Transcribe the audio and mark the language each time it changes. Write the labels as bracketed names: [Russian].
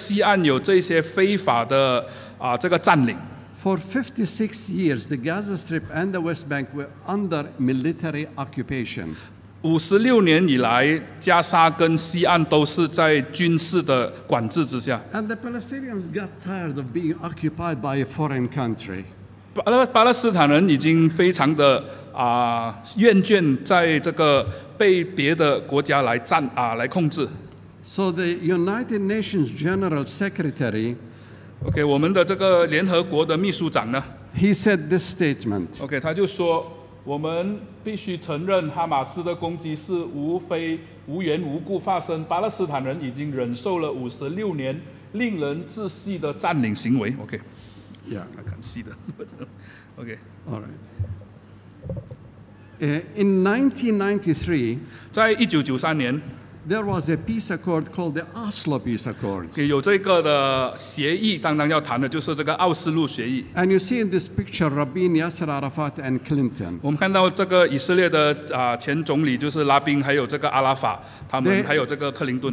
[Chinese] 所以在西岸呢，不是在加沙，在西岸有这些非法的这个占领。 [English] For 56 years, the Gaza Strip and the West Bank were under military occupation. [Chinese] 56年以来，加沙跟西岸都是在军事的管制之下。 [English] And the Palestinians got tired of being occupied by a foreign country. [Chinese] 巴勒斯坦人已经非常的厌倦在这个被别的国家来控制。 [English] So the United Nations General Secretary, [Chinese] okay, 我们的这个联合国的秘书长呢, [English] he said this statement. [Chinese] Okay, 他就说, 我们必须承认哈马斯的攻击是无非无缘无故发生。巴勒斯坦人已经忍受了56年令人窒息的占领行为。Okay. [English] Yeah, I can see that. Okay. All right. In 1993, [Chinese] 在1993年, [English] there was a peace accord called the Oslo Peace Accords. [Chinese] 有这个的协议，当然要谈的就是这个奥斯陆协议。 [English] And you see in this picture Rabin, Yasser Arafat, and Clinton. [Chinese] 我们看到这个以色列的前总理就是拉宾，还有这个阿拉法，他们还有这个克林顿。